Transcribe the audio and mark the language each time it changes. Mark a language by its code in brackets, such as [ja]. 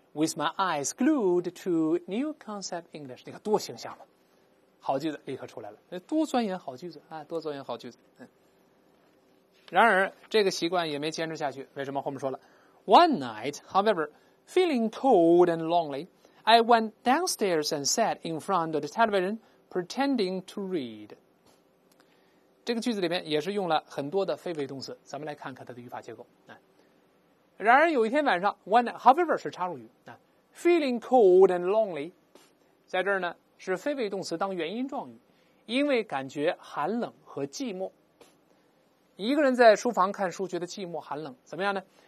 [en] with my eyes glued to new concept English. [zh] 你看多形象嘛，好句子立刻出来了，多钻研好句子啊，多钻研好句子。然而这个习惯也没坚持下去，为什么？后面说了 [en] One night, however, feeling cold and lonely, I went downstairs and sat in front of the television pretending to read. [zh] 这个句子里面也是用了很多的非谓动词，咱们来看看它的语法结构。然而有一天晚上 [en] One night, however [zh] 是插入语、 [en] Feeling cold and lonely [zh] 在这儿呢是非谓动词当原因状语，因为感觉寒冷和寂寞，一个人在书房看书觉得寂寞寒冷，怎么样呢？